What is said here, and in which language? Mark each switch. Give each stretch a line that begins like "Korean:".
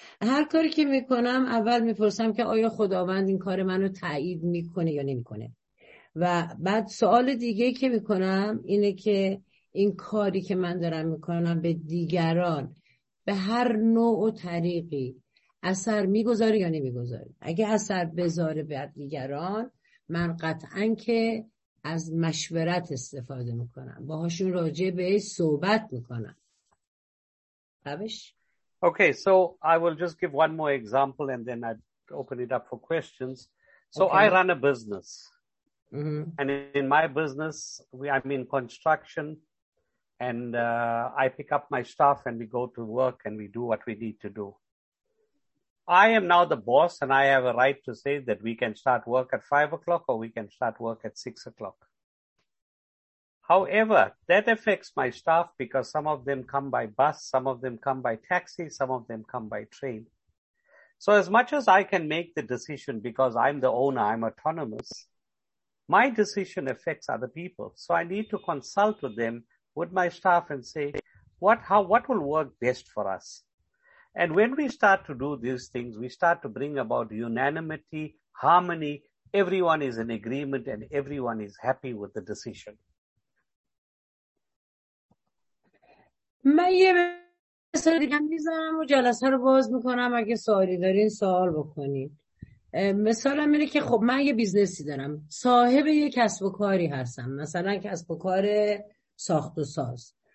Persian: هر کاری که میکنم اول میپرسم که آیا خداوند این کار منو تایید میکنه یا نمیکنه، و بعد سوال دیگه که میکنم اینه که این کاری که من دارم میکنم به دیگران به هر نوع و طریقی اثر میگذاره یا نمیگذاره. اگه اثر بذاره به دیگران، من قطعاً که از مشورت استفاده میکنم، باهاشون راجع به صحبت میکنم. خبش؟
English: Okay, so I will just give one more example and then I'd open it up for questions. So okay. I run a business. Mm-hmm. And in my business, I'm in construction. And I pick up my stuff and we go to work and we do what we need to do. I am now the boss and I have a right to say that we can start work at 5 o'clock or we can start work at 6 o'clock. However, that affects my staff because some of them come by bus, some of them come by taxi, some of them come by train. So as much as I can make the decision because I'm the owner, I'm autonomous, my decision affects other people. So I need to consult with them, with my staff, and say, what will work best for us? And when we start to do these things, we start to bring about unanimity, harmony, everyone is in agreement, and everyone is happy with the decision.
Persian: من یه مثال دیگه میزنم و جلسه رو باز میکنم، اگه سوالی دارین سوال بکنید. مثالم اینه که خب من یه بیزنسی دارم، صاحب یه کسب و کاری هستم، مثلا کسب و کار ساخت و ساز.